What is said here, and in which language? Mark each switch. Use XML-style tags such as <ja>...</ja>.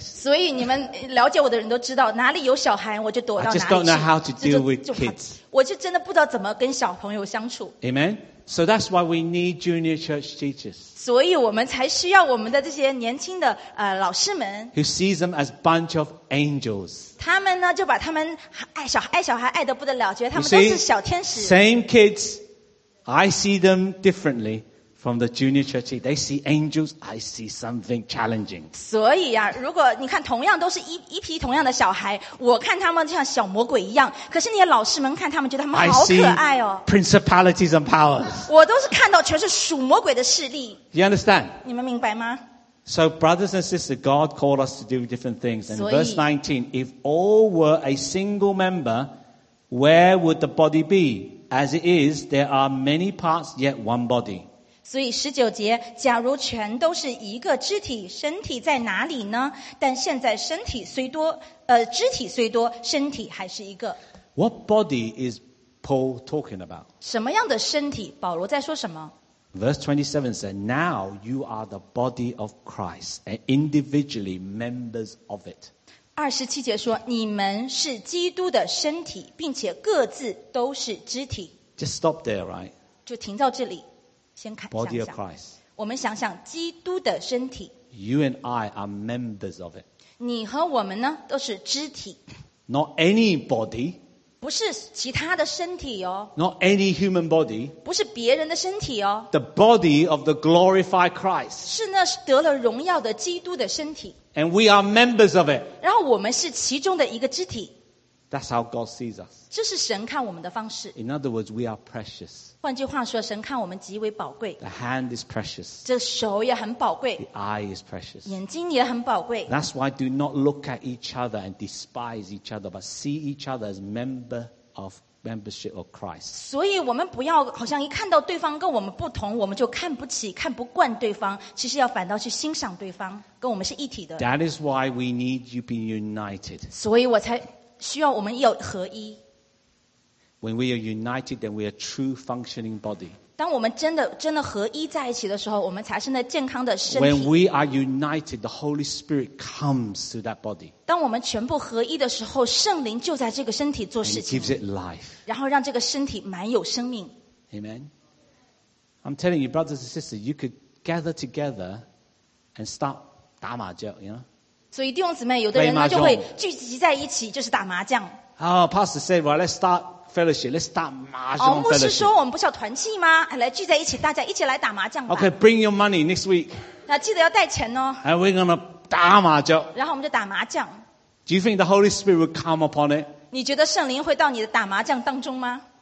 <zh>所以你们了解我的人都知道哪里有小孩我就躲到哪里去</zh> <en>I just don't know how to deal with kids</en> <zh>我就真的不知道怎么跟小朋友相处</zh> <en>Amen? So that's why we need junior church teachers</en> <zh>所以我们才需要我们的这些年轻的老师们</zh> <en>Who sees them as a bunch of angels</en> <zh>他们呢就把他们爱小孩爱得不得了觉得他们都是小天使</zh> <en>see, Same kids I see them differentlyFrom the junior church, they see angels, I see something challenging.</en> <zh>所以啊如果你看同样都是 一批同样的小孩我看他们就像小魔鬼一样可是你的老师们看他们觉得他们好可爱哦。</zh> <en>I see principalities and powers.</en> <zh>我都是看到全是属魔鬼的势力。</zh> <en>You understand?</en> <zh>你们明白吗</zh> <en>So brothers and sisters, God called us to do different things. And verse 19, if all were a single member, where would the body be? As it is, there are many parts, yet one body.</en> <zh>所以十九节假如全都是一个肢体身体在哪里呢但现在身体虽多肢体虽多身体还是一个</zh> <en>What body is Paul talking about?</en> <zh>什么样的身体保罗在说什么</zh> <en>Verse 27 said Now you are the body of Christ and individually members of it</en> <zh>27节说你们是基督的身体并且各自都是肢体</zh> <en>Just stop there, right?</en> <zh>就停到这里先看</zh> <en>Body of Christ.</en> <zh>我们想想基督的身体</zh> <en>You and I are members of it.</en> <zh>你和我们呢都是肢体</zh> <en>Not any body.</en> <zh>不是其他的身体哦</zh> <en>Not any human body.</en> <zh>不是别人的身体哦</zh> <en>The body of the glorified Christ.</en> <zh>是那得了荣耀的基督的身体</zh> <en>And we are members of it.</en> <zh>然后我们是其中的一个肢体</zh> <en>That's how God sees us.</en> <zh>这是神看我们的方式</zh> <en>In other words, we are precious.</en> <zh>换句话说神看我们极为宝贵</zh> <en>The hand is precious</en> <zh>这手也很宝贵</zh> <en>The eye is precious</en> <zh>眼睛也很宝贵</zh> <en>That's why do not look at each other and despise each other but see each other as membership of Christ</en> <zh>所以我们不要好像一看到对方跟我们不同我们就看不起看不惯对方其实要反倒去欣赏对方跟我们是一体的</zh> <en>That is why we need you be united</en> <zh>所以我才需要我们要合一</zh> <en>When we are united, then we are true functioning body.</en> <zh>当我们真的合一在一起的时候，我们才是那健康的身体。</zh> <en>When we are united, the Holy Spirit comes to that body.</en> <zh>当我们全部合一的时候，圣灵就在这个身体做事情。</zh> <en>And gives it life.</en> <zh>然后让这个身体满有生命。</zh> <en>Amen. I'm telling you, brothers and sisters, you could gather together and start</en> <zh>打麻将</zh> <en>you know?</en> <zh>所以弟兄姊妹，有的人呢就会聚集在一起，就是打麻将。</zh> <en>Oh, Pastor said, well, let's start. Fellowship, let's start mahjong fellowship.</en> <zh>牧师说我们不是要团契吗？来聚在一起，大家一起来打麻将吧。</zh> <en>Okay, bring your money next week.</en> <zh>那记得要带钱哦。</zh> <en>And we're gonna</en> <zh>打麻将。然后我们就打麻将。</zh> <en>Do you think the Holy Spirit will come upon it?</en> <zh>你觉得圣灵会到你的打麻将当中吗</zh>